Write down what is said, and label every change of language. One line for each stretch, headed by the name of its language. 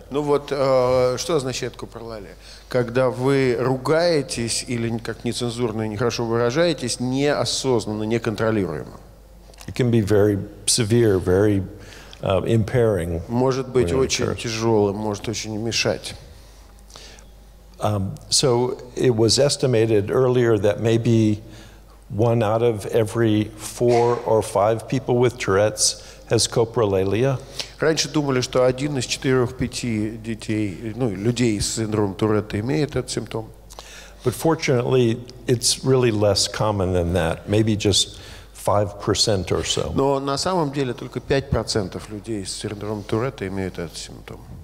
Russian: Ну вот что означает копролалия? Когда вы ругаетесь или как нецензурно и нехорошо выражаетесь, неосознанно, неконтролируемо.
English: It can be very severe, very impairing.
Russian: Может быть очень тяжелым, может очень мешать.
English: So it was estimated earlier that maybe one out of every four or five people with Tourette's has coprolalia.
Russian: Раньше думали, что один из четырех-пяти детей, ну, людей с синдромом Туретта имеет этот симптом.
English: But fortunately, it's really less common than that. Maybe just 5% or so.
Russian: Но на самом деле только 5% людей с синдромом Туретта имеют этот симптом.